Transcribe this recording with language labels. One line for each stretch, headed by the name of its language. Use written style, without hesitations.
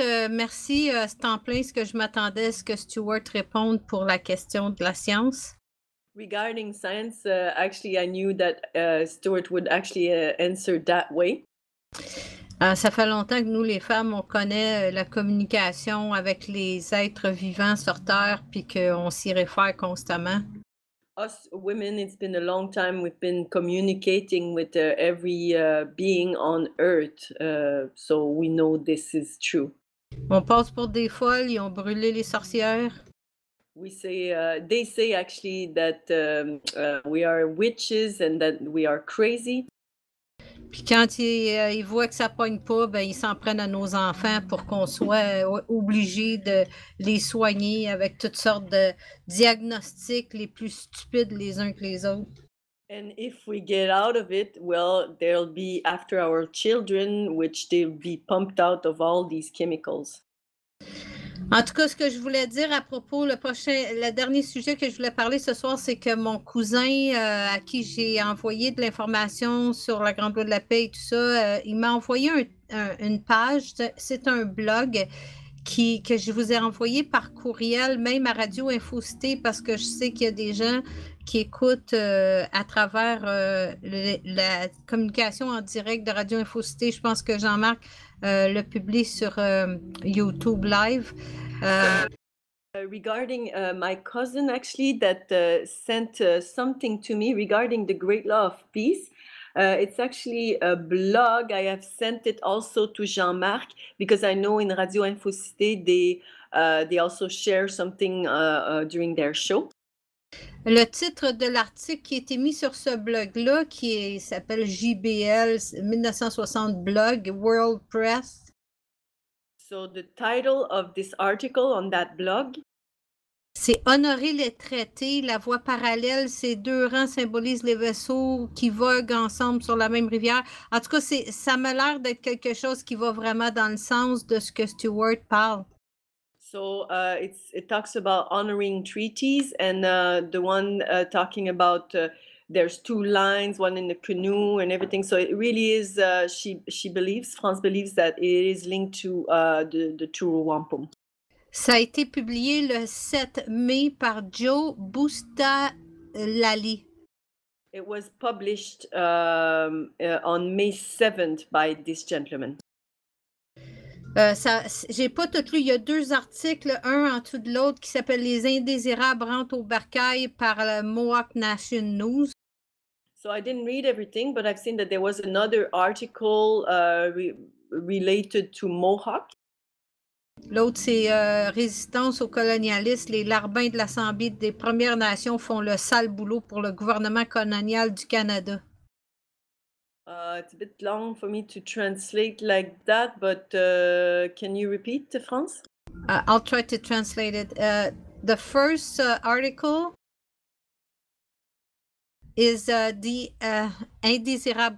French: Merci, c'est en plein ce que je m'attendais à ce que Stuart réponde pour la question de la science.
English: Regarding science, actually I knew that Stuart would actually answer that way.
French: Ça fait longtemps que nous les femmes, on connaît la communication avec les êtres vivants sur Terre puis qu'on s'y réfère constamment.
English: Us women, it's been a long time we've been communicating with every being on earth, so we know this is true.
French: On passe pour des folles, ils ont brûlé les sorcières.
English: We say, they say actually that we are witches and that we are crazy.
French: Puis quand ils voient que ça pogne pas, ben ils s'en prennent à nos enfants pour qu'on soit obligés de les soigner avec toutes sortes de diagnostics les plus stupides les uns que les autres.
English: And if we get out of it, well, there'll be after our children, which they'll be pumped out of all these chemicals.
French: En tout cas, ce que je voulais dire à propos le dernier sujet que je voulais parler ce soir, c'est que mon cousin à qui j'ai envoyé de l'information sur la Grande Loi de la Paix et tout ça, il m'a envoyé une page, c'est un blog que je vous ai envoyé par courriel, même à Radio Infocité, parce que je sais qu'il y a des gens qui écoutent à travers la communication en direct de Radio Infocité. Je pense que Jean-Marc le publie sur YouTube Live.
English: Regarding my cousin, actually, that sent something to me regarding the Great Law of Peace. It's actually a blog. I have sent it also to Jean-Marc because I know in Radio Infocité they also share something during their show.
French: Le titre de l'article qui a été mis sur ce blog-là, qui s'appelle JBL 1960 Blog World Press.
English: So the title of this article on that blog.
French: C'est honorer les traités. La voie parallèle, ces deux rangs symbolisent les vaisseaux qui voguent ensemble sur la même rivière. En tout cas, ça m'a l'air d'être quelque chose qui va vraiment dans le sens de ce que Stuart parle.
English: So it talks about honoring treaties, and the one talking about there's two lines, one in the canoe and everything. So it really is, France believes that it is linked to the Tour Wampum.
French: Ça a été publié le 7 mai par Joe Bustalali.
English: It was published on May 7th by this gentleman.
French: J'ai pas tout lu. Il y a deux articles, un en dessous de l'autre, qui s'appelle Les Indésirables rentrent au barcail par le Mohawk Nation News.
English: So I didn't read everything, but I've seen that there was another article related to Mohawk.
French: L'autre, c'est résistance aux colonialistes. Les larbins de l'Assemblée des Premières Nations font le sale boulot pour le gouvernement colonial du Canada.
English: It's a bit long for me to translate like that, but can you repeat, France? I'll try to translate it. The first article is the indésirable.